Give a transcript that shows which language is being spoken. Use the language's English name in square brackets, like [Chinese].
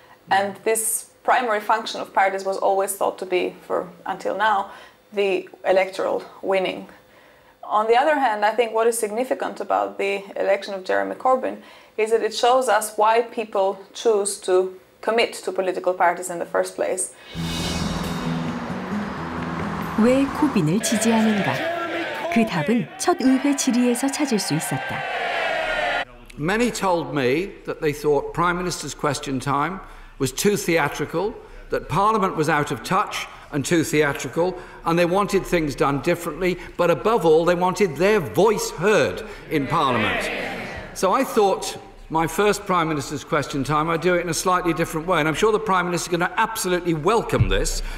[English] And this primary function of parties was always thought to be, for until now, the electoral winning. On the other hand, I think what is significant about the election of Jeremy Corbyn is that it shows us why people choose to commit to political parties in the first place. [Korean] 왜 코빈을 지지하는가? 그 답은 첫 의회 질의에서 찾을 수 있었다. [English] Many told me that they thought Prime Minister's question time was too theatrical, that Parliament was out of touch and too theatrical, and they wanted things done differently, but above all, they wanted their voice heard in Parliament. So I thought my first Prime Minister's question time, I'd do it in a slightly different way, and I'm sure the Prime Minister is going to absolutely welcome this.